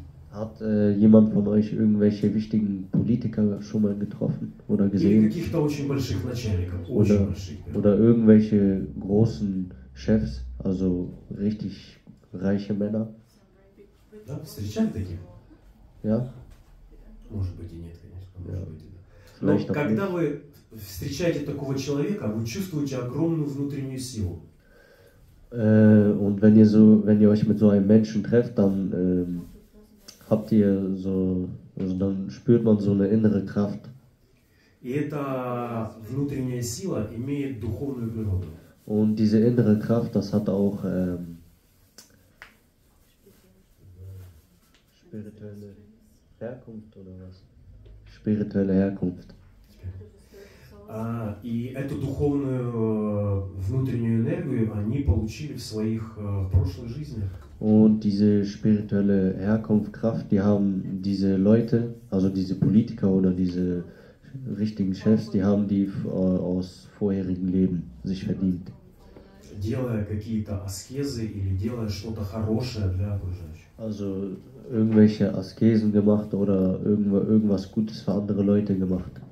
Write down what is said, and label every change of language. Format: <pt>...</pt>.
<de>Hat jemand von euch irgendwelche wichtigen Politiker schon mal getroffen oder gesehen?</de> <ru>Или каких-то очень больших начальников, очень больших.</ru> <de>Oder irgendwelche großen Chefs, also richtig reiche Männer?</de> <ru>Да, встречали таких?</ru> <de>Ja.</de> <ru>Может быть и нет, конечно, может быть и да. Но когда вы встречаете такого человека, вы чувствуете огромную внутреннюю силу.</ru> <de>Und wenn ihr so, wenn ihr euch mit so einem Menschen trefft, dann habt ihr so, also dann spürt man so eine innere Kraft.</de> <ru>И эта внутренняя сила имеет духовную природу.</ru> <de>Und diese innere Kraft, das hat auch spirituelle Herkunft oder was? Spirituelle Herkunft.</de> <ru>И эту духовную внутреннюю энергию они получили в своих прошлых жизнях.</ru> <de>Und diese spirituelle Herkunftskraft, die haben diese Leute, also diese Politiker oder diese richtigen Chefs, die haben die aus vorherigen Leben sich verdient.</de> <ru>Делая какие-то аскезы или делая что-то хорошее для окружающих.</ru> <de>Also irgendwelche Askesen gemacht oder irgendwas Gutes für andere Leute gemacht.</de>